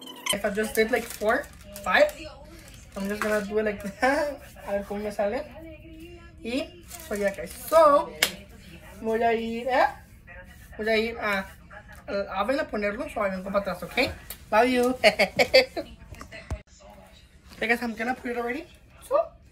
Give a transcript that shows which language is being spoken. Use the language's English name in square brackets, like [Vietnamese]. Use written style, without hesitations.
[English] If I just did like 4, 5, I'm just gonna do it like that. [Spanish] A ver cómo me sale. Y soy acá. So, voy a ir al oven a ponerlo. So, ahí vengo para atrás, ok? [English] Love you. Hey guys, I'm gonna put it already. So,